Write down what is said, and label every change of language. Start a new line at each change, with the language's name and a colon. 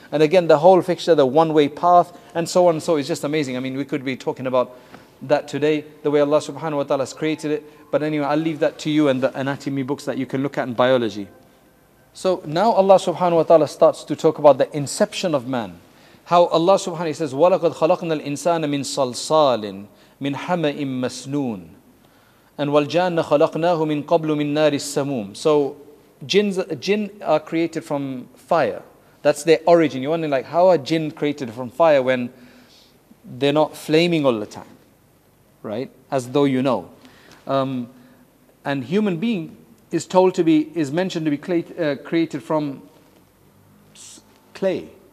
English: And again, the whole fixture, the one-way path, and so on and so on, is just amazing. I mean, we could be talking about that today, the way Allah subhanahu wa ta'ala has created it. But anyway, I'll leave that to you and the anatomy books that you can look at in biology. So now Allah subhanahu wa ta'ala starts to talk about the inception of man. How Allah subhanahu wa ta'ala says,
Arabic: وَلَقَدْ خَلَقْنَا الْإِنسَانَ مِنْ صَلْصَالٍ مِنْ حَمَئٍ مَسْنُونَ and وَالْجَانَّ خَلَقْنَاهُ مِنْ قَبْلُ مِنْ نَارِ السَّمُومِ.
English: So jinn are created from fire. That's their origin. You're wondering, like, how are jinn created from fire when they're not flaming all the time? Right? As though you know. And human being is mentioned to be created from clay.